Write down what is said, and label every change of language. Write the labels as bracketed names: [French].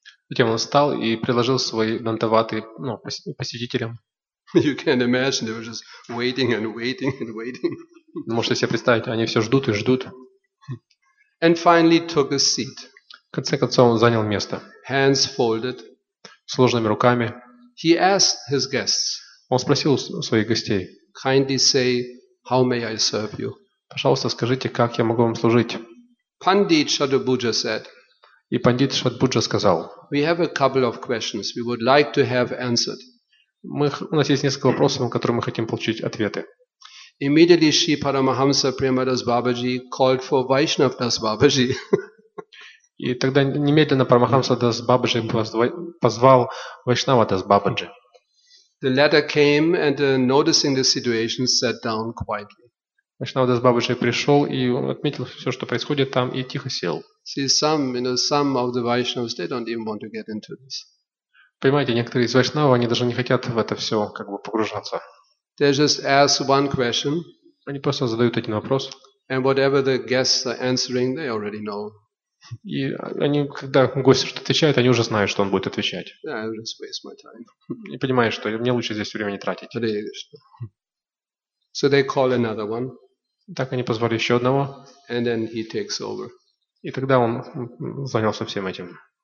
[Russian] Затем он встал и предложил свои дандаваты посетителям. [English] You can imagine they were just waiting and waiting and waiting. [Russian] Можете себе представить, они все ждут и ждут. [English] And finally took a seat. [Russian] В конце концов он занял место. [English] Hands folded. [Russian] Сложными руками. [English] He asked his guests. [Russian] Он спросил своих гостей. [English] Kindly say, how may I serve you? [Russian] Пожалуйста, скажите, как я могу вам служить? [English] Pandit Shatabhuja said, [Russian] И Пандит Шатбуджа сказал, [English] we have a couple of questions we would like to have answered. [Russian] У нас есть несколько вопросов, на которые мы хотим получить ответы. [English] Immediately Shri Paramahamsa Premadas Babaji called for Vaishnavdas Babaji. [Russian] И тогда немедленно Парамахамса Дас Бабаджи позвал Вайшнава Дас Бабаджи. [English] The latter came and, noticing the situation, sat down quietly. [Russian] Вайшнава Дас Бабаджи пришел и он отметил все, что происходит там, и тихо сел. [English] See, some of the Vaishnavas, they don't even want to get into this. [Russian] Понимаете, некоторые из Вайшнава, они даже не хотят в это все как бы погружаться. [English] They just ask one question. [Russian] Они просто задают один вопрос. [English] And whatever the guests are answering, they already know. [Russian] И они, когда гости что-то отвечают, они уже знают, что он будет отвечать. [English] Yeah, I'll just waste my time. [Russian] И понимаешь, что мне лучше здесь время не тратить. [English] So they call another one. [Russian] Так они позвали еще одного. [English] And then he takes over. [Russian] И тогда он занялся всем этим.